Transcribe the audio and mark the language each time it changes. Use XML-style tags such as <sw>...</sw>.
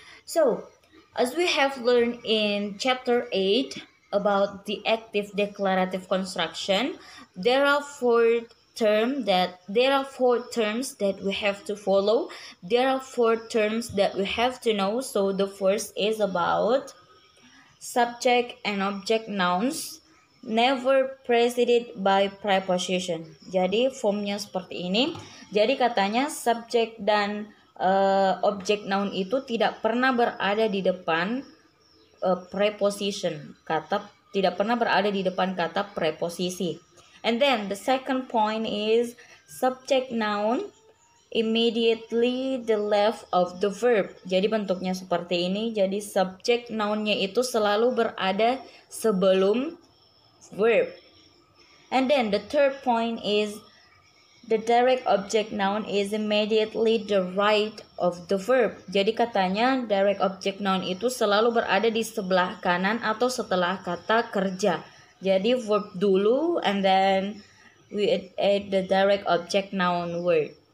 <en>So, as we have learned in chapter 8 about the active declarative construction, there are four terms that we have to follow. There are four terms that we have to know. So the first is about subject and object nouns never preceded by preposition.</en> <id>Jadi formnya seperti ini. Jadi katanya subject dan object noun itu tidak pernah berada di depan preposition, kata tidak pernah berada di depan kata preposisi.</id> <en>And then the second point is subject noun immediately the left of the verb.</en> <id>Jadi bentuknya seperti ini. Jadi subject noun-nya itu selalu berada sebelum verb.</id> <en>And then the third point is the direct object noun is immediately the right of the verb.</en> <id>Jadi katanya direct object noun itu selalu berada di sebelah kanan atau setelah kata kerja. Jadi verb dulu,</id> <en>and then we add the direct object noun word.</en>